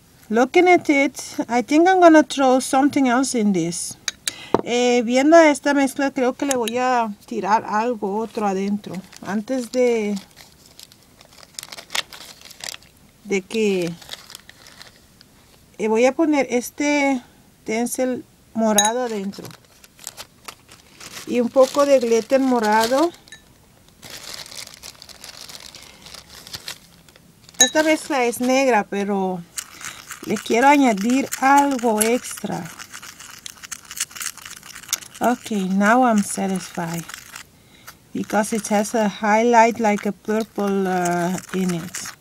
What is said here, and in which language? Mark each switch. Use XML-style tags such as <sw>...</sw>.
<en>Looking at it, I think I'm gonna throw something else in this.</en> <es>Viendo esta mezcla, creo que le voy a tirar algo otro adentro antes de que voy a poner este tencel morado adentro. y un poco de glitter morado. Esta mezcla es negra, pero le quiero añadir algo extra.</es> <en>Okay, now I'm satisfied because it has a highlight like a purple in it.</en>